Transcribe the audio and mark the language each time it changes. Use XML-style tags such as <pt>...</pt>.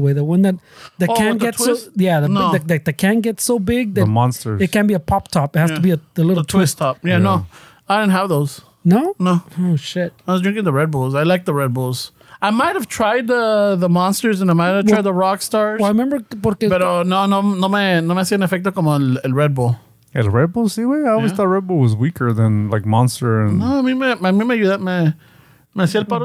<en>Way the one that the can gets so big that the monsters it can be a pop top. It has to be the little twist top. Yeah, yeah, no, I didn't have those. No, no. Oh shit! I was drinking the Red Bulls. I like the Red Bulls. I might have tried the monsters and I might have tried the Rock Stars. Well, I remember</en> <es>porque. Pero no me hacía efecto como el Red Bull. El Red Bull, sí, güey.</es> <en>I always thought Red Bull was weaker than like Monster and.</en> <es>No, a mí me ayudó me hacía el paro.</es>